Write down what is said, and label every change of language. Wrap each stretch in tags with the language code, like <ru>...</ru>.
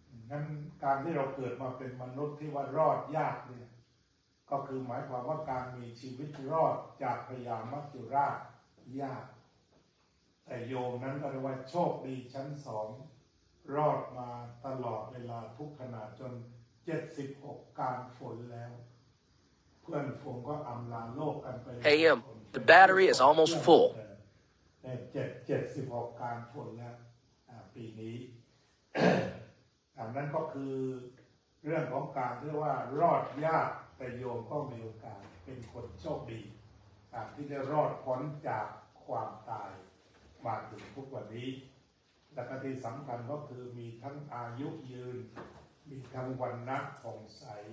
<th>นั้นการที่เราเกิดมาเป็นมนุษย์ที่ว่ารอดยากเนี่ยก็คือหมายความว่าการมีชีวิตรอดจากพยามัจจุราชยากแต่โยมนั้นก็เรียกว่าโชคดีชั้น2รอดมาตลอดเวลาทุกขณะจน76การฝนแล้วเพื่อนฝูงก็อำลาโลกกันไป</th> <en>Hey, the battery is almost full.</en> <th>เจ็ดสิบหกการผลแล้วปีนี้นั่นก็คือเรื่องของการที่ว่ารอดยากแต่โยมก็มีโอกาสเป็นคนโชคดีที่ได้รอดพ้นจากความตายมาถึงทุกวันนี้และที่สำคัญก็คือมีทั้งอายุยืนมีทั้งวรรณะผ่องใส</th>